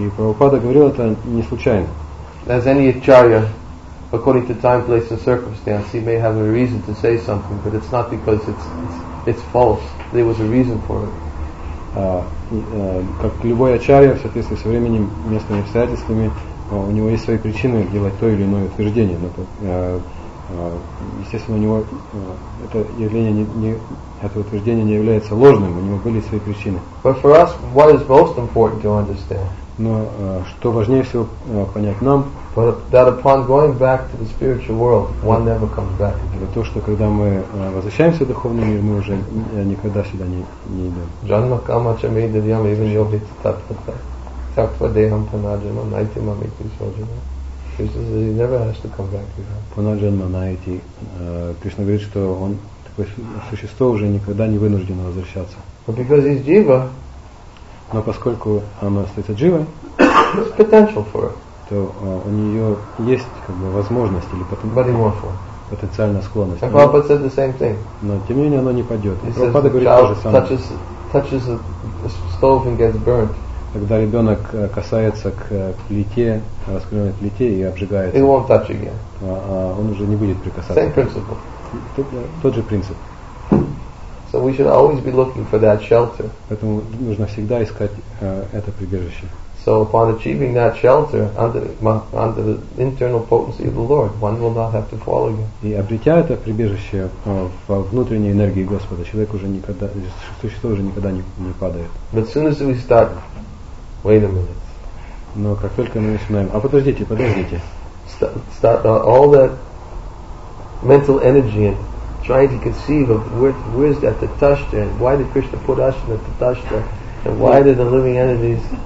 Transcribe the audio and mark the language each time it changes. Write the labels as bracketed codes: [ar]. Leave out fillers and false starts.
[ru] И Прабхупада говорил это не случайно. [en] As any acharya, according to time, place, and circumstance, he may have a reason to say something, but it's not because it's false. There was a reason for it. [ru] Как любой ачарья, в соответствии со временем, местными обстоятельствами, у него есть свои причины делать то или иное утверждение. Но естественно, у него это явление не это утверждение не является ложным, у него были свои причины. [en] But for us, what is most important to understand? [ru] Но что важнее всего понять нам, [en] that upon going back to the spiritual world, one never comes back. [ru] Это то, что когда мы возвращаемся в духовный мир, мы уже никогда сюда не идем. [sa] Janma kama cha me devyam even yobit tatvata. Tatva deham panajama naiti mamiti sojana. [en] Krishna says he never has to come back to that. [sa] Panajama naiti. [ru] Krishna говорит, что он такое существо уже никогда не вынуждено возвращаться. [en] But because he's jiva, [ru] но поскольку она остается дживой, [en] there's potential for it. [ru] То у нее есть как бы возможность или потенциальная склонность. [en] And Prabhupada said the same thing. [ru] Но тем не менее оно не пойдет. Прабхупада говорит то же самое. [en] touches a stove and gets burnt. [ru] Когда ребенок касается к плите, раскаленной плите и обжигается, [en] it won't touch again. [ru] Он уже не будет прикасаться. [en] Same principle. [ru] Тот же принцип. [en] So we should always be looking for that shelter. [ru] Поэтому нужно всегда искать это прибежище. [en] So upon achieving that shelter under the internal potency of the Lord, one will not have to fall again. [ru] И обретя это прибежище во внутренней энергии Господа, человек уже никогда, существо уже никогда не падает. [en] But soon as we start, wait a minute. [ru] Но как только мы начинаем, а подождите, подождите. [en] All that mental energy and trying to conceive of where is that tathashtra and why did Krishna put us in the tathashtra and why did the living entities.